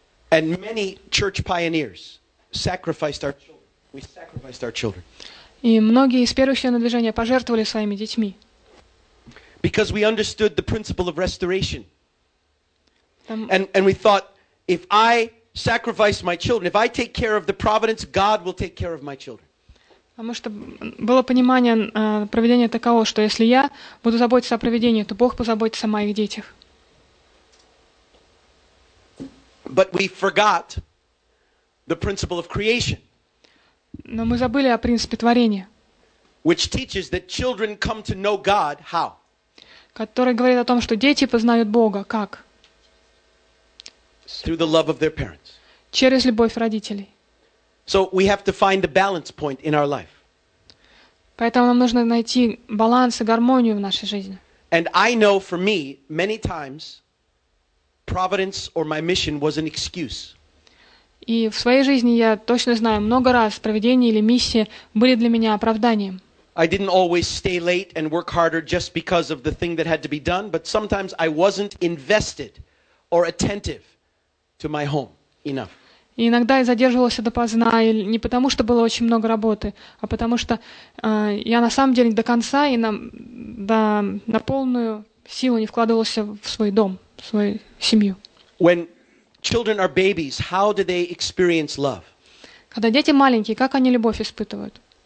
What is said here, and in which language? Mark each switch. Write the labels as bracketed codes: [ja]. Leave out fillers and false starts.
[en] And many church pioneers sacrificed our children. We sacrificed our children. [ru] И многие из первых членов движения пожертвовали своими детьми. [en] Because we understood the principle of restoration. And we thought, if I sacrifice my children, if I take care of the providence, God will take care of my children. [ru] Потому что было понимание проведения такого, что если я буду заботиться о проведении, то Бог позаботится о моих детях. [en] But we forgot the principle of creation. [ru] Но мы забыли о принципе творения. [en] Which teaches that children come to know God how? [ru] Который говорит о том, что дети познают Бога как? [en] Through the love of their parents. [ru] Через любовь родителей. [en] So we have to find the balance point in our life. [ru] Поэтому нам нужно найти баланс и гармонию в нашей жизни. [en] And I know for me, many times, providence or my mission was an excuse. [ru] И в своей жизни я точно знаю, много раз проведение или миссия были для меня оправданием. [en] I didn't always stay late and work harder just because of the thing that had to be done, but sometimes I wasn't invested or attentive to my home enough. [ru] Иногда я задерживался допоздна, не потому что было очень много работы, а потому что я на самом деле до конца и на полную силу не вкладывался в свой дом, в свою семью. [en] When children are babies, how do they experience love? [ru] Когда дети маленькие, как они любовь испытывают?